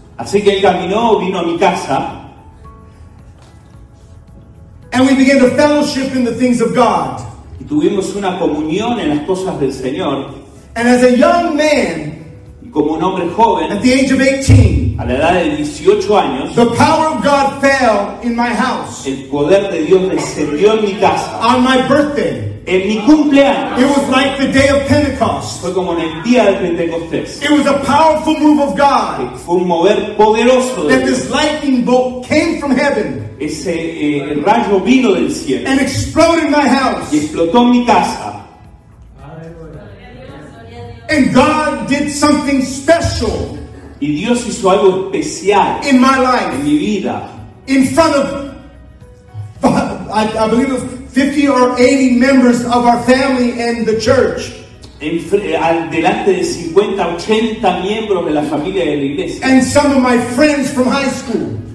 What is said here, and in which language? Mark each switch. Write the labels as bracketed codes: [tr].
[es] Así que él caminó, vino a mi casa. [en] And we began to fellowship in the things of God. [es] Y tuvimos una comunión en las cosas del Señor. [en] And as a young man, [es] como un hombre joven, [en] at the age of 18, [es] a la edad de 18 años, [en] the power of God fell in my house. [es] El poder de Dios descendió en mi casa. [en] On my birthday. [es] En mi cumpleaños. [en] It was like the day of Pentecost. [es] Fue como en el día de Pentecostés. [en] It was a powerful move of God. [es] Fue un mover poderoso de [en] that [es] Dios. [en] This lightning bolt came from heaven. [es] Ese el rayo vino del cielo. [en] And exploded my house. [es] Y explotó en mi casa. [en] And God did something special. [es] Y Dios hizo algo especial. [en] In my life. [es] En mi vida. [en] In front of, I believe it was 50 or 80 members of our family and the church. [es] Delante de 50, 80 miembros de la familia de la iglesia. [en] And some of my friends from high school.